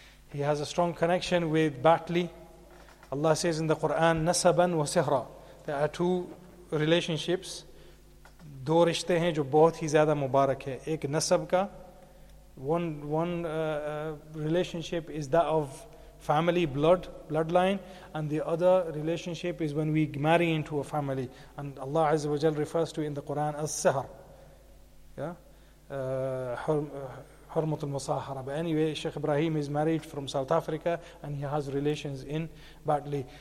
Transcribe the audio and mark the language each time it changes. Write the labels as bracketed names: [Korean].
[English] He has a strong connection with Batli. Allah says in the Quran, [Arabic] Nasaban wa Sihra. [English] There are two relationships. [Urdu] دو رشتے ہیں جو بہت ہی زیادہ مبارک ہے۔ ایک نسب کا۔ [English] One relationship is that of family blood, bloodline, and the other relationship is when we marry into a family. And Allah Azza wa Jal refers to in the Quran as sihr. Yeah? Hurmat al-Musahara. But anyway, Sheikh Ibrahim is married from South Africa and he has relations in Batli.